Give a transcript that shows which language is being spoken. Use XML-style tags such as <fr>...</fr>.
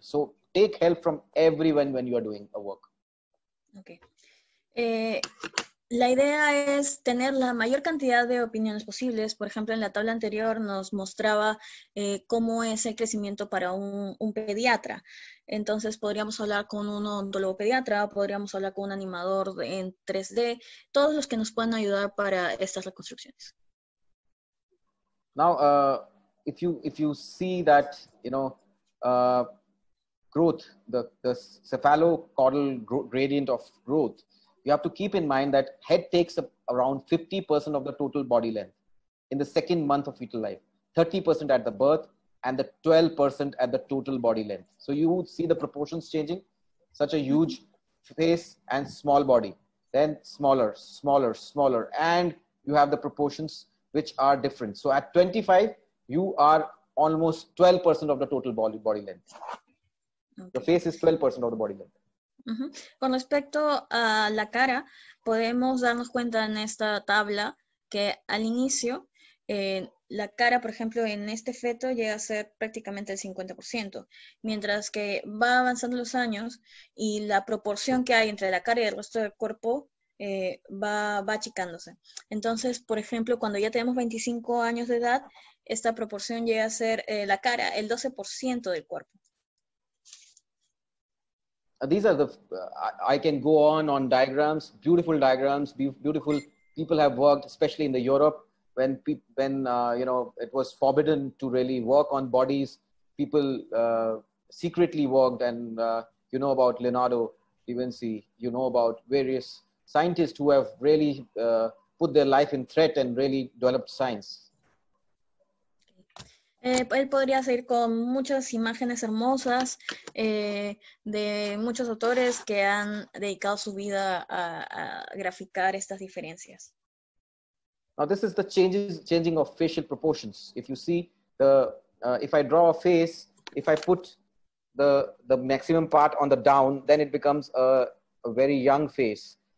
<en>So take help from everyone when you are doing a work. Okay.</en> <es>La idea es tener la mayor cantidad de opiniones posibles. Por ejemplo, en la tabla anterior nos mostraba cómo es el crecimiento para un pediatra. Entonces, podríamos hablar con un odontólogo pediatra, podríamos hablar con un animador en 3D, todos los que nos puedan ayudar para estas reconstrucciones.</es> <en>Now, if you see that, you know, growth, the cephalocaudal gradient of growth, you have to keep in mind that head takes around 50% of the total body length in the second month of fetal life, 30% at the birth, and the 12% at the total body length. So you would see the proportions changing, such a huge face and small body, then smaller, smaller, smaller, and you have the proportions which are different. So at 25, you are almost 12% of the total body length. The face is 12% of the body length. Uh-huh.</en> <es>Con respecto a la cara, podemos darnos cuenta en esta tabla que al inicio la cara, por ejemplo, en este feto llega a ser prácticamente el 50%, mientras que va avanzando los años y la proporción que hay entre la cara y el resto del cuerpo va achicándose. Entonces, por ejemplo, cuando ya tenemos 25 años de edad, esta proporción llega a ser la cara, el 12% del cuerpo.</es> <en>These are the, I can go on diagrams, beautiful diagrams, beautiful. People have worked, especially in the Europe, when it was forbidden to really work on bodies. People secretly worked, and you know about Leonardo da Vinci, you know about various scientists who have really put their life in threat and really develop signs.</en> <es>Él podría seguir con muchas imágenes hermosas de muchos autores que han dedicado su vida a graficar estas diferencias.</es> <en>Now this is the changing of facial proportions. If you see the if I draw a face, if I put the maximum part on the down, then it becomes a very young face.</en>